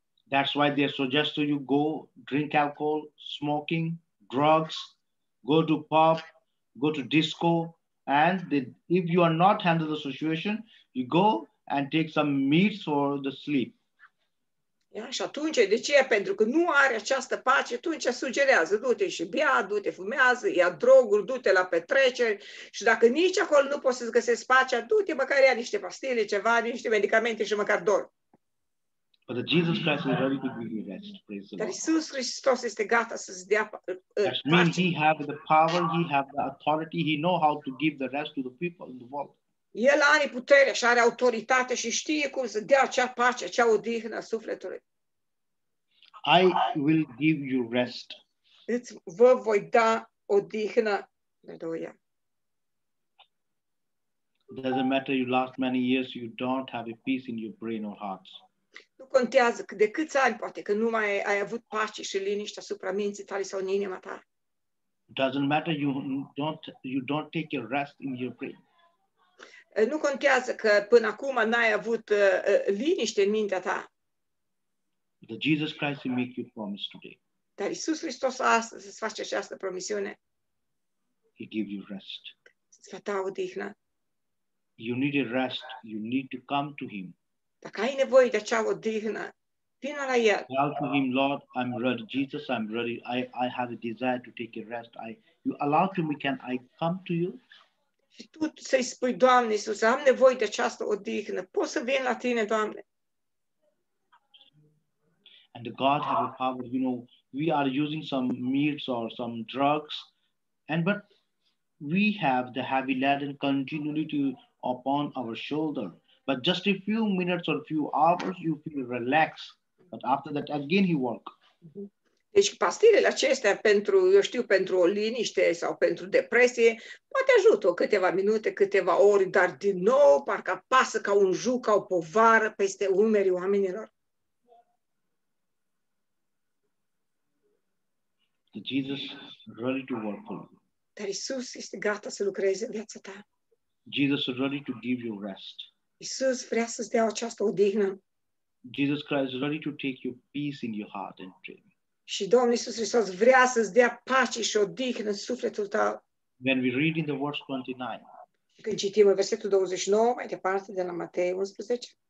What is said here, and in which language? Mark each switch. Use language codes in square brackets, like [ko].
[en] That's why they suggest to you go drink alcohol, smoking, drugs, go to pub, go to disco. And if you are not handle the situation, you go and take some meats for the sleep. [ro] Ia, și atunci, de ce? Pentru că nu are această pace, atunci sugerează, du-te și bea, du-te, fumează, ia droguri, du-te la petreceri. Și dacă nici acolo nu poți să-ți găsești pacea, du-te, măcar ia niște pastile, ceva, niște medicamente și măcar dor. [en] But the Jesus Christ is ready to give you rest, praise the Lord. [ro] Iisus Hristos este gata să -ți dea, [en] that means he have the power, he have the authority, he know how to give the rest to the people in the world. [ro] El are putere și are autoritate și știe cum să dea acea pace, acea odihnă sufletului. [en] I will give you rest. [ro] Îți vă voi da odihnă. [en] It doesn't matter you last many years, you don't have a peace in your brain or hearts. [ro] Nu contează de câți ani poate că nu mai ai avut pace și liniște asupra minții tale sau în inima ta. [en] Doesn't matter you don't take a rest in your brain. [ro] Nu contează că până acum n-ai avut liniște în mintea ta. [en] The Jesus Christ will make you promise today. [ro] Dar Iisus Hristos astăzi îți face această promisiune. [en] He give you rest. [ro] Îți va da odihnă. [en] You need a rest, you need to come to him. [ro] Dacă ai nevoie de acea odihnă, vină la el. [en] Tell to him, Lord, I'm ready. Jesus, I'm ready. I have a desire to take a rest. You allow to me, can I come to you? [ro] Și tu să-i spui, Doamne Iisus, am nevoie de această odihnă. Pot să vin la tine, Doamne? [en] And the God have a power. You know, we are using some meats or some drugs, but we have the heavy laden continuity upon our shoulder. But just a few minutes or a few hours, you feel relaxed. But after that, again, he work. [ro] Deci pastilele acestea pentru, eu știu, pentru o liniște sau pentru depresie, poate ajută câteva minute, câteva ori, dar din nou, parcă pasă ca un juc, ca o povară peste umerii oamenilor. [en] Jesus ready to work for you. [ro] Dar Iisus este gata să lucreze în viața ta. [en] Jesus is ready to give you rest. [ro] Iisus vrea să-ți dea această odihnă. [en] Jesus Christ is ready to take your peace in your heart and dream. [ro] Și Domnul Iisus Hristos vrea să-ți dea pace și odihnă în sufletul tău. [en] When we read in the verse 29. [ro] Când citim în versetul 29, mai departe de la Matei 11.